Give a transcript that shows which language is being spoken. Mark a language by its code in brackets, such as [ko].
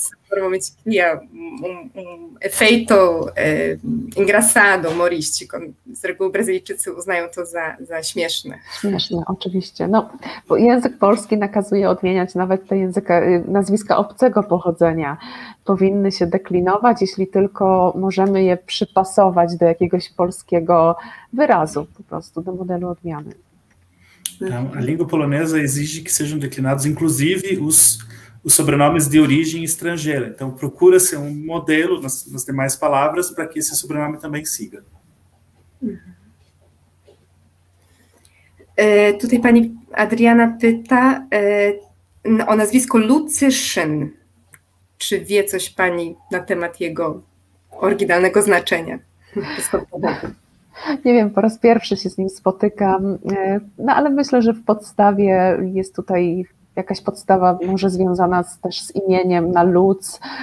[pt] Normalmente cria um efeito engraçado, humorístico. [pl] Z reguły Brazylijczycy uznają to za śmieszne. Śmieszne, oczywiście. No, bo język polski nakazuje odmieniać nawet te języka, nazwiska obcego pochodzenia. Powinny się deklinować, jeśli tylko możemy je przypasować do jakiegoś polskiego wyrazu, po prostu do modelu odmiany. [pt] A língua polonesa exige que sejam declinados, inclusive os sobrenomes de origem estrangeira. Então, procura-se um modelo nas demais palavras para que esse sobrenome também siga. [pl] Tutaj pani Adriana pyta o nazwisko Lucy Szyn. Czy wie coś pani na temat jego oryginalnego znaczenia? Nie wiem, po raz pierwszy się z nim spotykam, no ale myślę, że w podstawie jest tutaj jakaś podstawa może związana też z imieniem na Luc.